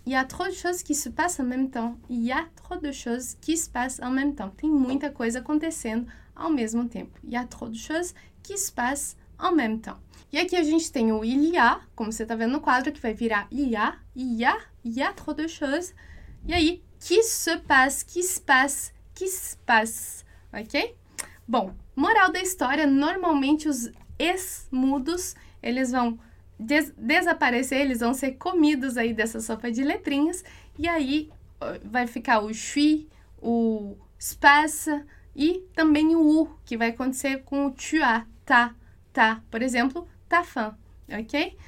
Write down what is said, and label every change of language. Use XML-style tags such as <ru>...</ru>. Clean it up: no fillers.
<fr>Il y a trop de choses qui se passent en même temps. Il y a trop de choses qui se passent en même temps.</fr> <pt>Tem muita coisa acontecendo ao mesmo tempo.</pt> <fr>Il y a trop de choses qui se passent en même temps.</fr> <pt>E aqui a gente tem o il y a, como você está vendo no quadro, que vai virar</pt> <fr>il y a trop de choses.</fr> <pt>E aí,</pt> <fr>qui se passe, qui se passe, qui se passe, ok?</fr> <pt>Bom, moral da história, normalmente os es mudos, eles vão desaparecer, eles vão ser comidos aí dessa sopa de letrinhas, e aí vai ficar o chui, o espaça e também o u, que vai acontecer com o tua, tá, por exemplo, tafã, ok?</pt>